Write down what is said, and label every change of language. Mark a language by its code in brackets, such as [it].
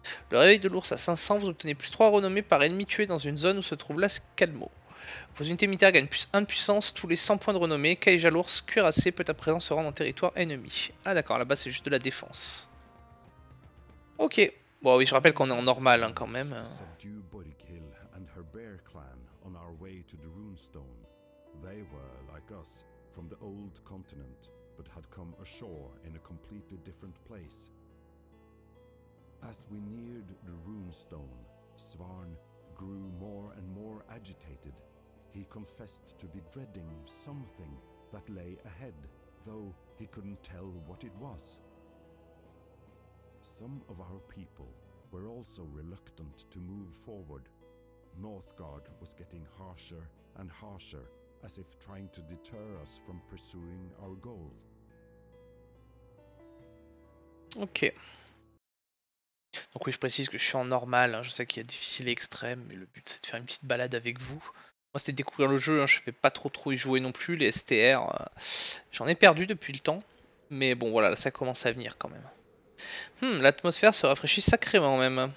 [fr] Le réveil de l'ours à 500, vous obtenez plus 3 renommées par ennemi tué dans une zone où se trouve la Skialmo. Vos unités militaires gagnent plus 1 de puissance tous les 100 points de renommée. Kaija l'ours cuirassé peut à présent se rendre en territoire ennemi. Ah d'accord, là-bas c'est juste de la défense. Ok. Bon oui, je rappelle qu'on est en normal hein, quand même. [en] Borghild [fr] et son [en] bear clan on our way to the Runestone. They were like us from the old continent, but had come ashore in a completely different place. As we neared the Runestone, Svarn grew more and more agitated. He confessed to be dreading something that lay ahead though he couldn't tell what it was. Some of our people were also reluctant to move forward. Northgard was getting harsher and harsher, as if trying to deter us from pursuing our goal. Ok. [fr] Donc oui, je précise que je suis en normal, hein. Je sais qu'il y a difficile et extrême, mais le but c'est de faire une petite balade avec vous. Moi c'était découvrir le jeu, hein. Je ne vais pas trop y jouer non plus, les STR, j'en ai perdu depuis le temps. Mais bon voilà, là, ça commence à venir quand même. L'atmosphère se rafraîchit sacrément même.